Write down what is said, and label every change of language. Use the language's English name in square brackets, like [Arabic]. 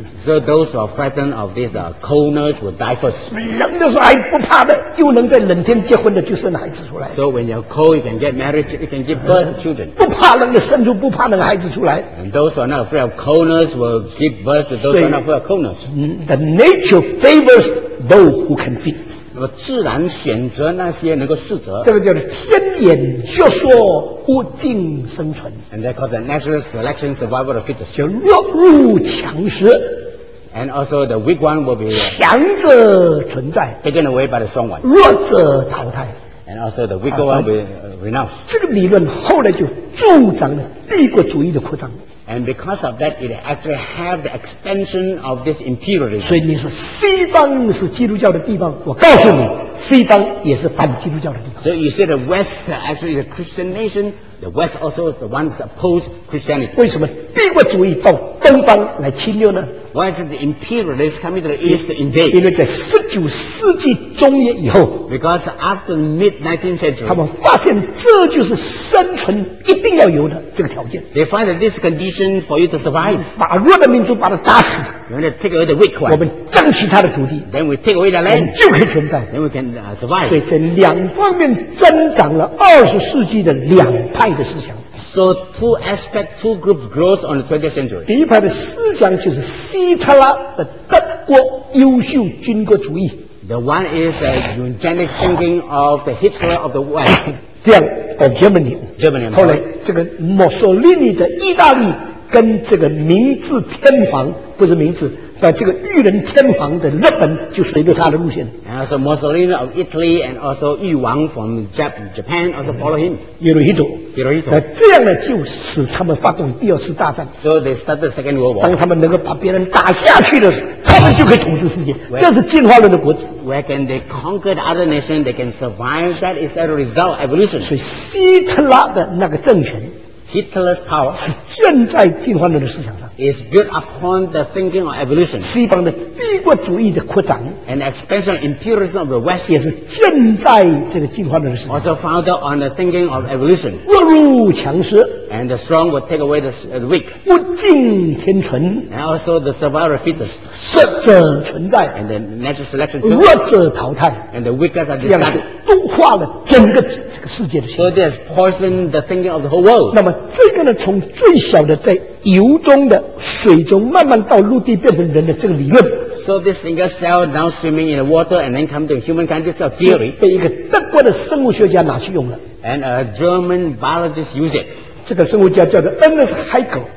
[English] So those who are frightened of these coldness will die first. [Chinese] 冷的时候还不怕的，又能在冷天结婚的，就生孩子出来。 [English] So when you're cold, you can get married, you can give birth to children. [Chinese] 不怕冷的生出不怕冷的孩子出来。 [English] And those who are not afraid of coldness will give birth to those who are not afraid of coldness. The nature favors those who can fit. [Chinese] 那么自然选择那些能够适者，这个叫做天眼就说物竞生存。 [English] And they call the natural selection survival of fittest. [Chinese] 叫弱肉强食。 [English] And also the weak one will be [Chinese] 强者存在 [English] ，taken away by the strong one. [Chinese] 弱者淘汰。 [English] And also the weaker one will renounce. [Chinese] 这个理论后来就助长了帝国主义的扩张。 [English] And because of that, it actually have the expansion of this imperialism. [Chinese] 所以你说西方是基督教的地方，我告诉你，西方也是反基督教的地方。 [English] So you say the West actually is a Christian nation. The West also is the one that opposes Christianity. [Chinese] 为什么帝国主义到东方来侵略呢？ [English] Why is the imperialist coming to the East to invade? [Chinese] 因为在19世纪中叶以后， [English] because after the mid 19th century, [Chinese] 他们发现这就是生存一定要有的这个条件。 [English] They find that this condition for you to survive. [Chinese] 把弱的民族把它打死， [English] you want to take away the weak one. [Chinese] 我们争取他的土地， [English] then we take away the land. [Chinese] 就可以存在， [English] then we can survive. [Chinese] 所以在两方面增长了20世纪的两派的思想。 [English] So two aspects, two groups grows on the 20th century. [Chinese] 第一派的思想就是希特拉的德国优秀军国主义。 [English] The one is the eugenic thinking of the Hitler of the West. [Chinese] 第二个 Germany. [English] Germany. [Chinese] 后来这个墨索里尼的意大利跟这个明治天皇不是明治。在这个裕仁天皇的日本就随着他的路线。 [English] And also Mussolini of Italy and also 裕王 from Japan also follow him. Hirohito. Hirohito. [Chinese] 那这样呢，就使他们发动第二次大战。 [English] So they start the Second World War. [Chinese] 当他们能够把别人打下去的时候，他们就可以统治世界。这是进化论的果子。 [English] Where can they conquer the other nation? They can survive. That is a result of evolution. [Chinese] 所以希特拉的那个政权。 [English] Hitler's power [Chinese] 是建在进化论的思想上。 [English] Is built upon the thinking of evolution. [Chinese] 西方的帝国主义的扩展。 [English] An expansion of imperialism of the West [Chinese] 也是建在这个进化论的思想。 [English] Also founded on the thinking of evolution. [Chinese] 弱肉强食。 [English] And the strong will take away the weak. [Chinese] 物竞天存。 [English] And also the survival of fittest. [Chinese] 胜者存在。 [English] And the natural selection. [Chinese] 弱者淘汰。 [English] And the weakest are discarded. [Chinese] 都化了整个这个世界的心。 [English] So this poisoned the thinking of the whole world. [Chinese] 那么这个呢，从最小的在油中的水中，慢慢到陆地变成人的这个理论。 [English] So this single cell now swimming in the water and then come to humankind, this is a theory. [Chinese] 被一个德国的生物学家拿去用了。 [English] And a German biologist used it. [Chinese] 这个生物家叫做 Ernest Haeckel.